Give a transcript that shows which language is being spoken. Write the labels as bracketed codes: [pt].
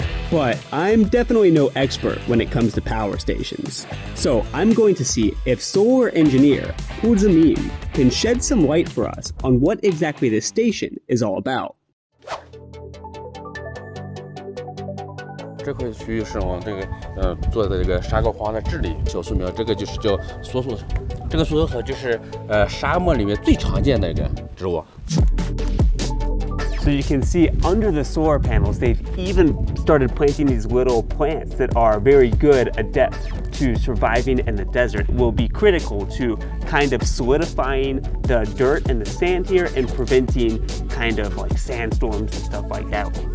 [en] But I'm definitely no expert when it comes to power stations. So I'm going to see if solar engineer Hu Zimin can shed some light for us on what exactly this station is all about. [zh] 这块区域是我做的这个沙漠黄的智利小树苗，这个就是叫梭梭草，这个梭梭草就是沙漠里面最常见的一个植物。So [en] you can see under the solar panels, they've even started planting these little plants that are very good adept to surviving in the desert. Will be critical to kind of solidifying the dirt and the sand here and preventing kind of like sandstorms and stuff like that.